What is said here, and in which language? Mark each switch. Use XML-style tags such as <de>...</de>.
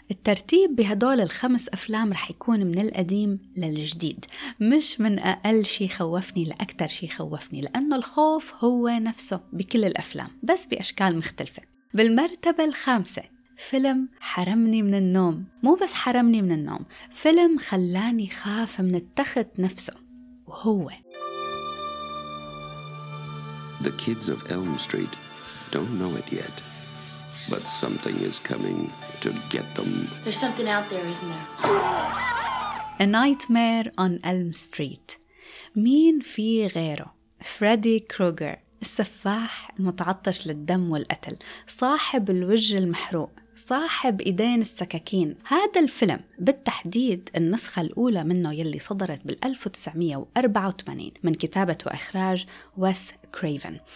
<ar>الترتيب بهدول الخمس أفلام رح يكون من القديم للجديد، مش من أقل شي خوفني لأكتر شي خوفني، لأنه الخوف هو نفسه بكل الأفلام بس بأشكال مختلفة. بالمرتبة الخامسة فيلم حرمني من النوم، مو بس حرمني من النوم، فيلم خلاني خاف من التخت نفسه، وهو</ar> <en>The kids of Elm Street don't know it yet, but something is coming to get them. There's something out there, isn't there? A Nightmare on Elm Street.</en> <ar>مين في غيره؟ فريدي كروجر، السفاح المتعطش للدم والقتل، صاحب الوجه المحروق، صاحب إيدين السكاكين. هذا الفيلم بالتحديد النسخة الأولى منه يلي صدرت بال 1984 من كتابة وإخراج ويس كريفن.</ar>